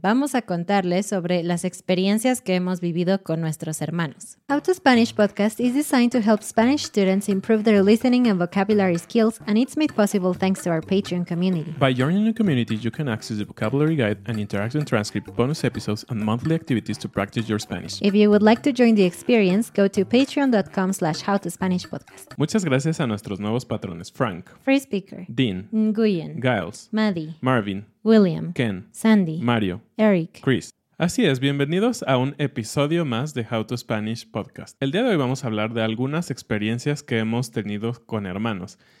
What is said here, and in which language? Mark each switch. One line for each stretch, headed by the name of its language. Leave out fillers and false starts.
Spanish: Vamos a contarles sobre las experiencias que hemos vivido con nuestros hermanos.
English: How to Spanish Podcast is designed to help Spanish students improve their listening and vocabulary skills, and it's made possible thanks to our Patreon community. By joining the community, you can access the vocabulary guide, an interactive transcript, bonus episodes, and monthly activities to practice your Spanish. If you would like to join the experience, go to patreon.com/howtospanishpodcast.
Spanish: Muchas gracias a nuestros nuevos patrones. Frank. Free speaker. Dean. Nguyen. Giles. Maddie, Marvin, William, Ken, Sandy, Mario, Eric, Chris. Así es, bienvenidos a un episodio más de How to Spanish Podcast. El día de hoy vamos a hablar de algunas experiencias que hemos tenido con hermanos.